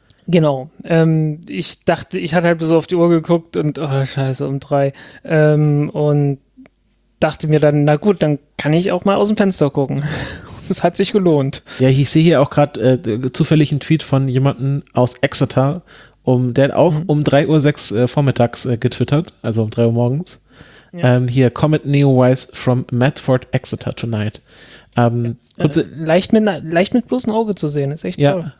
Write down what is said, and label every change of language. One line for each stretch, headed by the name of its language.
German: Genau, ich dachte, ich hatte halt so auf die Uhr geguckt und, oh scheiße, um 3, und dachte mir dann, na gut, dann kann ich auch mal aus dem Fenster gucken. Das hat sich gelohnt. Ja, ich sehe hier auch gerade zufällig einen Tweet von jemandem aus Exeter, der hat auch um 3:06 vormittags getwittert, also um 3 Uhr morgens. Ja. Hier,
English: Comet Neowise from Medford, Exeter tonight.
German: Leicht mit bloßem Auge zu sehen, ist echt toll.